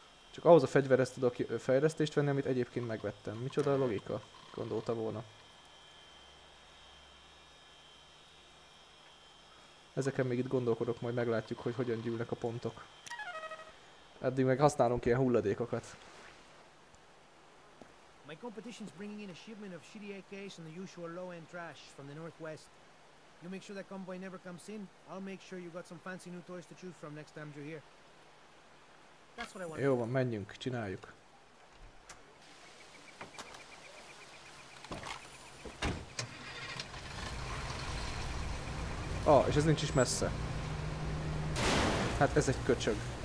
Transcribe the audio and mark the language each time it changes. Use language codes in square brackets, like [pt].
[hu] Csak ahhoz a fegyverhez tudok fejlesztést venni, amit egyébként megvettem. Micsoda a logika? Gondolta volna. Ezeken még itt gondolkodok, majd meglátjuk, hogy hogyan gyűlnek a pontok. Eddig meg használunk ilyen hulladékokat. [en] My competition's bringing in a shipment of shitty AKs and the usual low-end trash from the northwest. You make sure that convoy never comes in, I'll make sure you got some fancy new toys to choose from next time you're here. [hu] Jó van, menjünk, csináljuk. Ah, és ez nincs is messze. Hát ez egy köcsög.